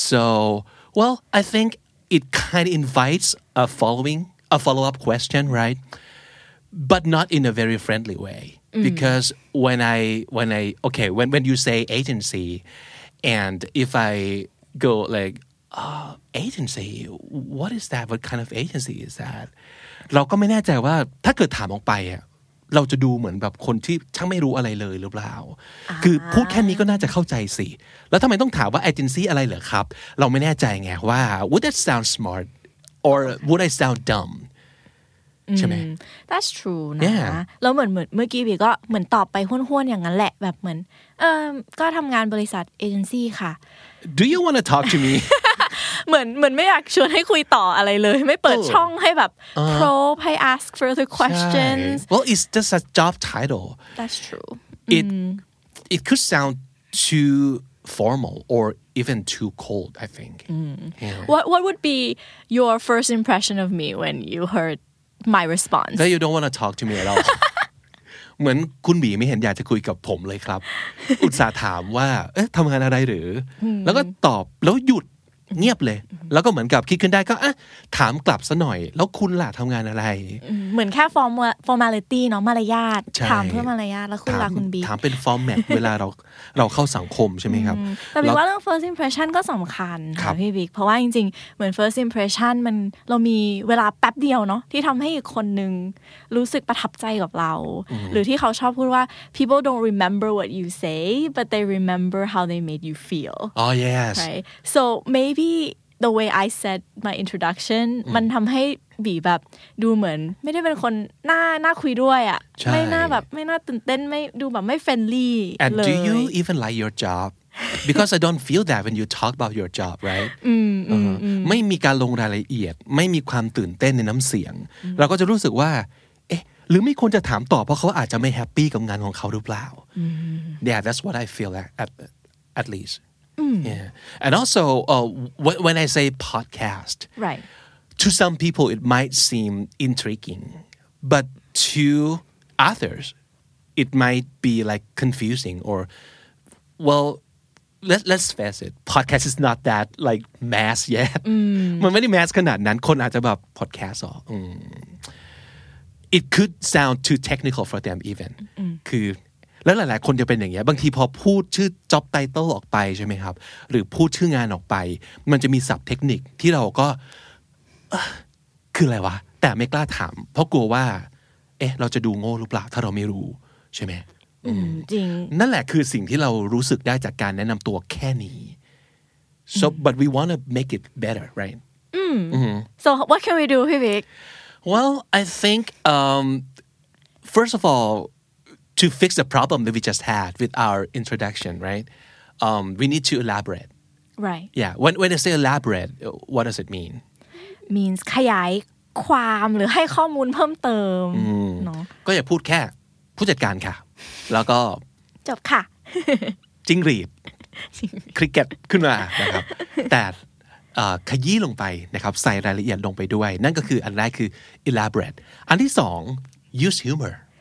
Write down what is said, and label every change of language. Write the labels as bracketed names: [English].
[English] So, well, I think it kind of invites a follow-up question, right? But not in a very friendly way. Mm. Because when you say agency, and if I go like, agency, what is that? What kind of agency is that? [Thai] เราก็ไม่แน่ใจว่าถ้าเกิดถามออกไปอ่ะเราจะดูเหมือนแบบคนที่ช่างไม่รู้อะไรเลยหรือเปล่ า คือพูดแค่นี้ก็น่าจะเข้าใจสิแล้วทำไมต้องถามว่าเอเจนซี่อะไรเหรอครับเราไม่แน่ใจไงว่า [English] would that sound smart or would I sound dumb [Thai] ใช่ไหม [English] That's true [Thai] นะแล้วเหมือนเมื่อกี้พี่ก็เหมือนตอบไปห้วนๆอย่างนั้นแหละแบบเหมือนก็ทำงานบริษัทเอเจนซี่ค่ะ [English] Do you want to talk to me [Thai] เหมือนไม่อยากชวนให้คุยต่ออะไรเลยไม่เปิดช่องให้แบบ probe ให้ [English] ask further questions well it's just a job title that's true it could sound too formal or even too cold I think yeah. what would be your first impression of me when you heard my response that you don't want to talk to me at all [Thai] เหมือนคุณบีไม่เห็นอยากจะคุยกับผมเลยครับอุตส่าห์ถามว่าเอ๊ะทำงานอะไรหรือแล้วก็ตอบแล้วหยุด เงียบเลยแล้วก็เหมือนกับคิดขึ้นได้ก็อ่ะถามกลับซะหน่อยแล้วคุณล่ะทำงานอะไร เหมือนแค่formality เนาะมารยาทถามเพื่อมารยาทแล้วคุณล่ะคุณบี ถามเป็น format เวลาเราเข้าสังคมใช่ไหมครับ แต่บีว่าเรื่อง first impression ก็สำคัญค่ะพี่บีเพราะว่าจริงๆเหมือน first impression มันเรามีเวลาแป๊บเดียวเนาะที่ทำให้อีกคนนึงรู้สึกประทับใจกับเราหรือที่เขาชอบพูดว่า [English] people don't remember what you say but they remember how they made you feel oh yes right so maybeThe way I said my introduction [Thai] มันทำให้บีแบบดูเหมือนไม่ได้เป็นคนน่าคุยด้วยอ่ ะไม่น่าแบบไม่น่าตื่นเต้นไม่ดูแบบไม่เฟรนลี่เลย [English] And do you even like your job? Because I don't feel that when you talk about your job, right? [Thai] ไม่มีการลงรายละเอียดไม่มีความตื่นเต้นในน้ำเสียงเราก็จะรู้สึกว่าเอ๊ะหรือไม่ควรจะถามต่อเพราะเขาอาจจะไม่แฮปปี้กับงานของเขาหรือเปล่า [English] Yeah, that's what I feel at leastYeah. And also, when I say podcast, right. to some people it might seem intriguing, but to others it might be like confusing or, well, let's face it, podcast is not that like mass yet. [Thai] มันไม่ได้ mass ขนาดนั้นคนอาจจะแบบ podcast อ๋อ [English] It could sound too technical for them even. [Thai] คือแล้วหลายๆคนจะเป็นอย่างเงี้ยบางทีพอพูดชื่อจ็อบไตเติลออกไปใช่ไหมครับหรือพูดชื่องานออกไปมันจะมีศัพท์เทคนิคที่เราก็คืออะไรวะแต่ไม่กล้าถามเพราะกลัวว่าเอ๊ะเราจะดูโง่หรือเปล่าถ้าเราไม่รู้ใช่ไหม จริง นั่นแหละคือสิ่งที่เรารู้สึกได้จากการแนะนำตัวแค่นี้ [English] so but we want to make it better right so what can we do พี่บิ๊ก well I think first of allTo fix the problem that we just had with our introduction, right? We need to elaborate. Right. Yeah. When I say elaborate, what does it mean? [Thai] Means ขยายความหรือให้ข้อมูลเพิ่มเติมเนาะ ก็อย่าพูดแค่ผู้จัดการค่ะแล้วก็ จบค่ะ จิ้งหรีดคริกเก็ตขึ้นมานะครับแต่ขยี้ลงไปนะครับใส่รายละเอียดลงไปด้วยนั่นก็คืออันแรกคือ elaborate อันที่สอง use humor